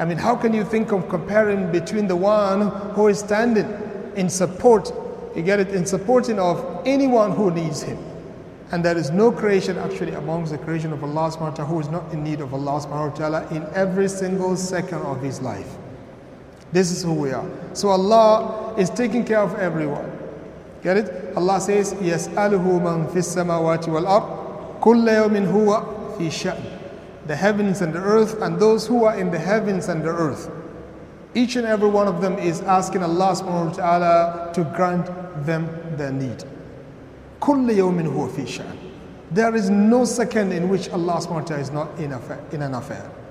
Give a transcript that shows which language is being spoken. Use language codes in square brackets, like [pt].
[en] I mean, how can you think of comparing between the one who is standing in support, you get it, in supporting of anyone who needs him. And there is no creation actually amongst the creation of Allah subhanahu wa ta'ala who is not in need of Allah subhanahu wa ta'ala in every single second of his life. This is who we are. So Allah is taking care of everyone. Get it? Allah says, [ar] يَسْأَلُهُ مَنْ فِي السَّمَاوَاتِ وَالْأَرْضِ كُلَّ يَوْمٍ هُوَ فِي شَأْنِ. [en] The heavens and the earth, and those who are in the heavens and the earth. Each and every one of them is asking Allah subhanahu wa ta'ala to grant them their need. [ar] كُلَّ يَوْمٍ هُوَ فِي شَأْنِ. [en] There is no second in which Allah subhanahu wa ta'ala is not in an affair.